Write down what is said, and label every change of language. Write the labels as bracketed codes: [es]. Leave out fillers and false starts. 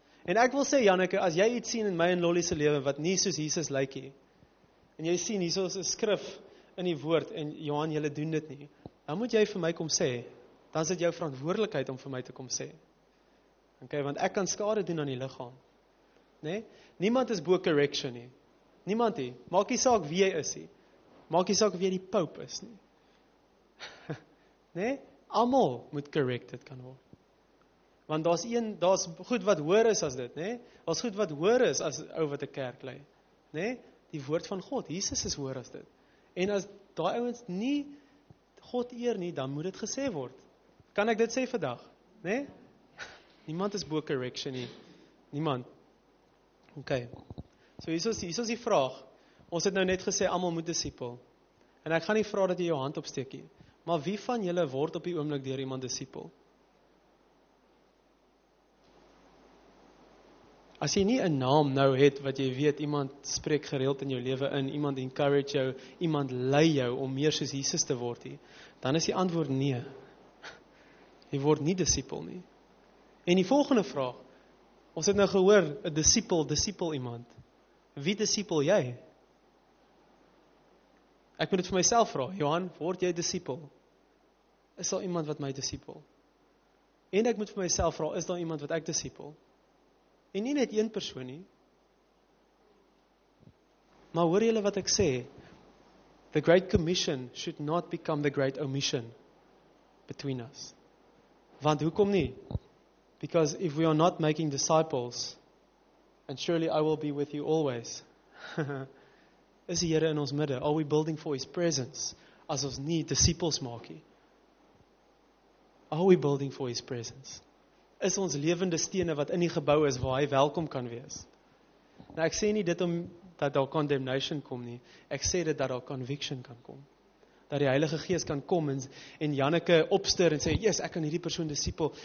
[af] En ek wil sê, Janneke, as jy iets sien in my en Lolly se lewe wat nie soos Jesus lyk nie, en jy sien hier is 'n skrif in die woord, en Johan, jy doen dit nie, dan moet jy vir my kom sê, dan is dit jou verantwoordelikheid om vir my te kom sê. Okay, want ek kan skade doen aan die liggaam. Nee? Niemand is bo correction nie. Niemand nie. Maak nie saak wie jy is nie. Maak nie saak wie jy die pope is nie. Nee? Almal moet corrected kan word. Want daar is een, daar is goed wat hoor is as dit, nee? Daar is goed wat hoor is as ou wat 'n kerk lei. Nee? Die woord van God, Jesus is hoor as dit. En as daai ouens nie God eer nie, dan moet dit gesê word. Kan ek dit sê vandag? Nee? Niemand is bo correction nie. Niemand. Ok. So hier is die vraag. Ons het nou net gesê, almal moet disipel. En ek gaan nie vraag dat jy jou hand opsteek nie. Maar wie van julle word op die oomblik deur iemand disipel? As jy nie een naam nou het wat jy weet, iemand spreek gereeld in jou leven in, iemand encourage jou, iemand lei jou om meer soos Jesus te word, dan is die antwoord nee. Jy word nie disipel nie. En die volgende vraag, ons het nou gehoor, een disipel iemand. Wie disipel jy? Ek moet het vir myself vraag, Johan, word jy disipel? Is daar iemand wat my disipel? En ek moet vir myself vraag, is daar iemand wat ek disipel? En nie net een persoon nie. Maar hoor julle wat ek sê, [en] the great commission should not become the great omission between us. [af] Want hoekom nie? [en] Because if we are not making disciples, and surely I will be with you always, [af] is die Here in ons midde, [en] are we building for his presence, [af] as ons nie disciples maak nie? [en] Are we building for his presence? [af] Is ons levende stene wat in die gebou is, waar hy welkom kan wees? Nou ek sê nie dit om, dat daar condemnation kom nie, ek sê dit dat daar conviction kan kom. Dat die Heilige Gees kan kom en Janneke opstur en sê, yes, ek kan hierdie persoon disipel.